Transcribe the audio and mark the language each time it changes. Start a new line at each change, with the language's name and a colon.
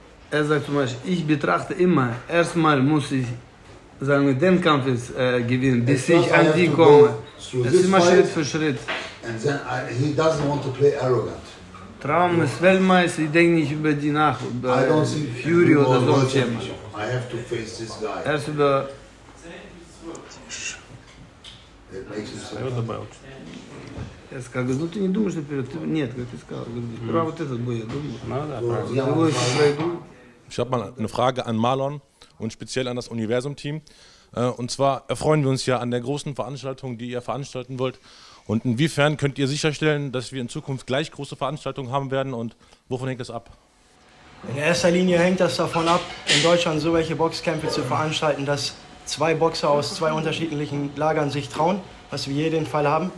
German: Er sagt zum Beispiel, ich betrachte immer, erstmal muss ich sagen, den Kampf jetzt gewinnen, bis ich an die komme. Das ist immer Schritt für Schritt.
English: And then he doesn't want to play arrogant.
German: Traum ist Weltmeister, ich denke nicht über die nach, über Fury oder so ein Thema.
English: I have to face this guy.
German: Erst über...
Russian: Я сказал, говорю, ну ты не думаешь наперед, ты, нет, как ты сказал, говорю, про вот этот бой я думаю. Ну да, правильно.
German: Ich habe mal eine Frage an Marlon und speziell an das Universum-Team. Und zwar erfreuen wir uns ja an der großen Veranstaltung, die ihr veranstalten wollt. Und inwiefern könnt ihr sicherstellen, dass wir in Zukunft gleich große Veranstaltungen haben werden? Und wovon hängt das ab? In erster Linie hängt das davon ab, in Deutschland so welche Boxkämpfe zu veranstalten, dass zwei Boxer aus zwei unterschiedlichen Lagern sich trauen, was wir hier den Fall haben.